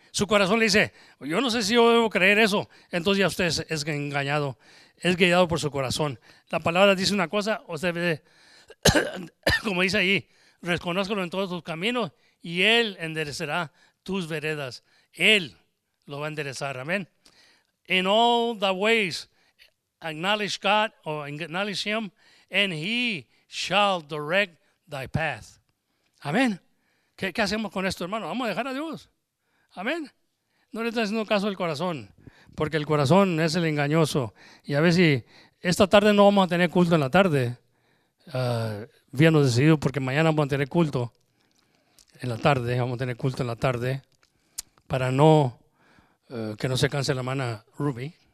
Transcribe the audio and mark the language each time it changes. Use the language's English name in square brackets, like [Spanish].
[Spanish] Su corazón le dice, yo no sé si yo debo creer eso. Entonces ya usted es engañado, es guiado por su corazón. La palabra dice una cosa, usted ve, como dice ahí, reconózcalo en todos tus caminos y Él enderezará tus veredas. Él lo va a enderezar, amén. [English] In all the ways, acknowledge God or acknowledge Him and He shall direct thy path. [Spanish] Amén. ¿Qué hacemos con esto, hermano? Vamos a dejar a Dios. Amén. No le está haciendo caso al corazón, porque el corazón es el engañoso. Y a veces, esta tarde no vamos a tener culto en la tarde. Habíamos decidido, porque mañana vamos a tener culto en la tarde. Vamos a tener culto en la tarde para no que no se canse la hermana Ruby.